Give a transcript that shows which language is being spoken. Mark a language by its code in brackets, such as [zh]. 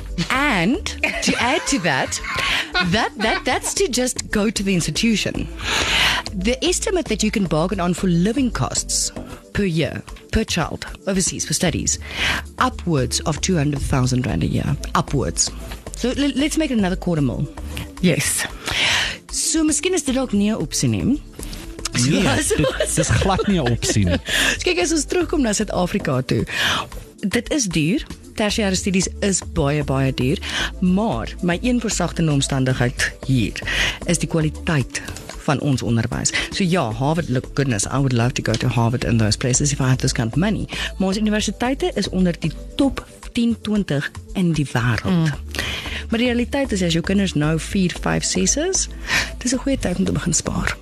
[en] And to add to that, that's to just go to the institution. The estimate that you can bargain on for living costs per year, per child, overseas for studies, upwards of 200,000 rand a year. Upwards. So let's make it another quarter mil. Yes. [af] So miskien is dit ook nie 'n opsie nie. Dit is glad nie 'n opsie nie. Kyk, as ons terugkom na Suid-Afrika toe, dit is duur. Tersiêre studies is baie, baie duur. Maar my een versagtende omstandigheid hier is die kwaliteit van ons onderwys. [en] So ja, Harvard, look, goodness, I would love to go to Harvard and those places if I had this kind of money. [af] Maar ons universiteite is onder die top 10-20 in die wêreld. Maar die realiteit is, as jou kinders nou 4, 5, 6 is, dis 'n goeie tyd om te begin spaar.